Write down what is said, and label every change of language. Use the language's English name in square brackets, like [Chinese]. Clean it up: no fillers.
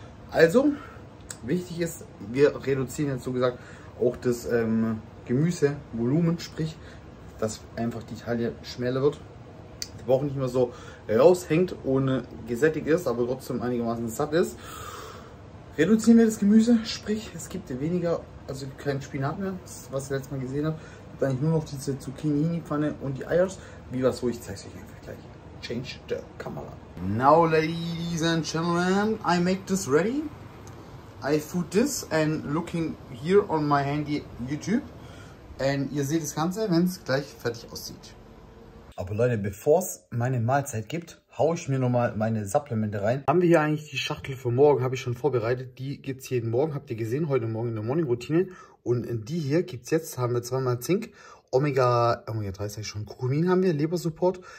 [German] Also, wichtig ist, wir reduzieren jetzt so gesagt auch das Gemüsevolumen, sprich, dass einfach die Taille schmäler wird, die Woche nicht mehr so raushängt ohne gesättigt ist, aber trotzdem einigermaßen satt ist. Reduzieren wir das Gemüse, sprich, es gibt weniger, also kein Spinat mehr, was ihr letztes Mal gesehen habt. Dann nur noch diese Zucchini-Pfanne und die Eier. Wie was so, ich zeige es euch einfach gleich. [English] Change the camera. Now, ladies and gentlemen, I make this ready. I food this and looking here on my handy YouTube. [German] Und ihr seht das Ganze, wenn es gleich fertig aussieht. Aber Leute, bevor es meine Mahlzeit gibt, haue ich mir nochmal meine Supplemente rein. Haben wir hier eigentlich die Schachtel für morgen, habe ich schon vorbereitet. Die gibt es jeden Morgen, habt ihr gesehen, heute Morgen in der Morning Routine. Und die hier gibt es jetzt, haben wir zweimal Zink, Omega-3 sag ich schon, Kurkumin haben wir, Leber Support.